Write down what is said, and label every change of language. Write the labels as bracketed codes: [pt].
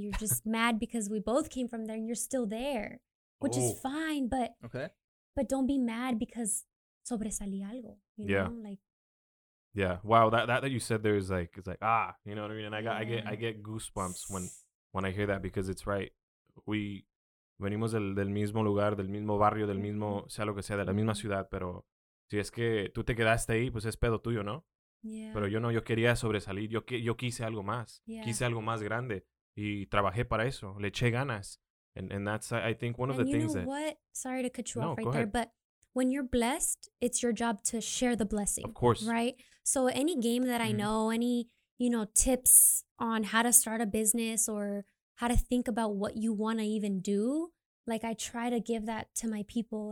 [en] You're just mad because we both came from there and you're still there. Which is fine, but okay. But don't be mad because [es] sobresalí algo. [en] You know? Like, yeah. Wow, that you said there is like, it's like, ah, you know what I mean? And I get goosebumps when I hear that because it's right. [es] We venimos del mismo lugar, del mismo barrio, del mismo, sea lo que sea, de la misma ciudad, pero si es que tú te quedaste ahí, pues es pedo tuyo, ¿no? Yeah. Pero yo no, yo quería sobresalir, yo quise algo más, quise algo más grande y trabajé para eso, le eché ganas. [en] And that's, I think, one of the things that... And you know what? Sorry to cut you off right there, but when you're blessed, it's your job to share the blessing. Of course. Right? So any game that I know, any, you know, tips on how to start a business or how to think about what you want to even do, like, I try to give that to my people.